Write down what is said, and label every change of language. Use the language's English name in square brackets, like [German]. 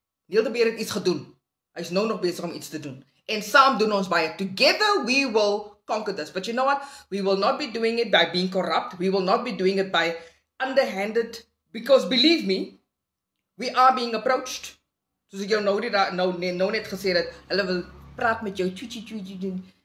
[Afrikaans] Neil de Beer het iets gedoen. Hy's nou nog besig om iets te doen. En saam doen ons baie. [English] Together we will conquer this. But you know what? We will not be doing it by being corrupt. We will not be doing it by underhanded. Because believe me, we are being approached. [Afrikaans] Soos ek jou nou die daar nou net gesê het, hulle wil praat met jou tjie tjie tjie doen.